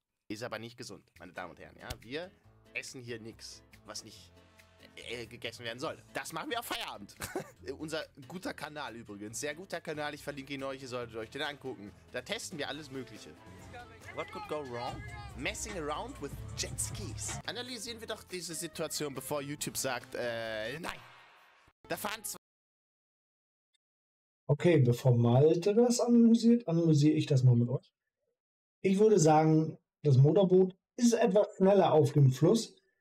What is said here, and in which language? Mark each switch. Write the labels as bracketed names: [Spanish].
[German] Ist aber nicht gesund, meine Damen und Herren. Ja, wir essen hier nichts, was nicht gegessen werden soll. Das machen wir auf Feierabend. Unser guter Kanal übrigens. Sehr guter Kanal. Ich verlinke ihn euch. Ihr solltet euch den angucken. Da testen wir alles Mögliche. [English] What could go wrong? Messing around with jet skis. [German] Analysieren wir doch diese Situation, bevor YouTube sagt, nein. Da fahren zwei. Okay, bevor Malte das analysiert, analysiere ich das mal mit euch. Ich würde sagen, das Motorboot ist etwas schneller auf dem Fluss.